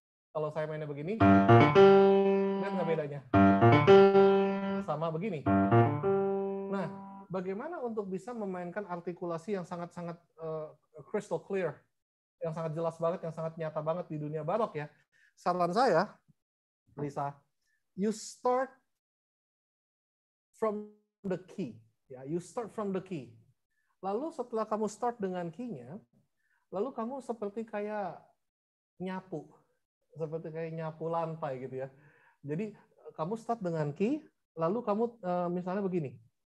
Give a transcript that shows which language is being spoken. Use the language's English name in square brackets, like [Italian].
[Indonesian] Kalau saya mainnya begini, lihat nggak bedanya? Sama begini. Nah, bagaimana untuk bisa memainkan artikulasi yang sangat-sangat crystal clear, yang sangat jelas banget, yang sangat nyata banget di dunia barok ya? Saran saya, [English] Lisa, you start from the key. Ya, you start from the key. [Indonesian] Lalu setelah kamu start dengan key-nya, lalu kamu seperti kayak nyapu. Seperti kayak nyapu lantai gitu ya. Jadi kamu start dengan key, lalu kamu misalnya begini.